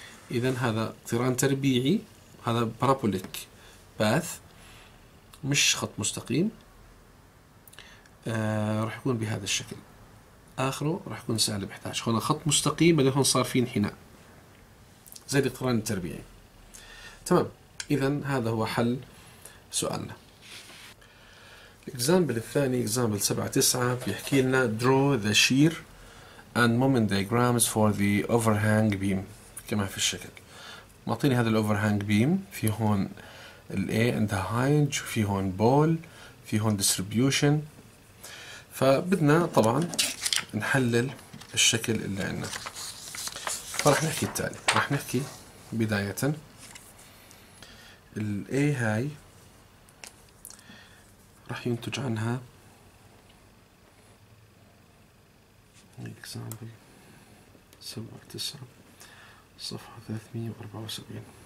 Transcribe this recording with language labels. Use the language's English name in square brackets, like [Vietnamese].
[Arabic] إذا هذا اقتران تربيعي، هذا بارابوليك باث مش خط مستقيم، راح يكون بهذا الشكل، آخره راح يكون سالب 11. هون خط مستقيم بعدين هون صار في انحناء زي الاقتران التربيعي. تمام، إذا هذا هو حل سؤالنا. الاكزامبل الثاني اكزامبل 7-9 بيحكي لنا [English] draw the shear and moment diagrams for the overhang beam [Arabic] كما في الشكل. معطيني هذا الاوفرهانج بيم، في هون ال A [English] and the hinge، [Arabic] في هون بول، في هون distribution. فبدنا طبعا نحلل الشكل اللي عندنا، فرح نحكي التالي. رح نحكي بداية ال A هاي راح ينتج عنها اكزامبل 7-9 صفحة 374.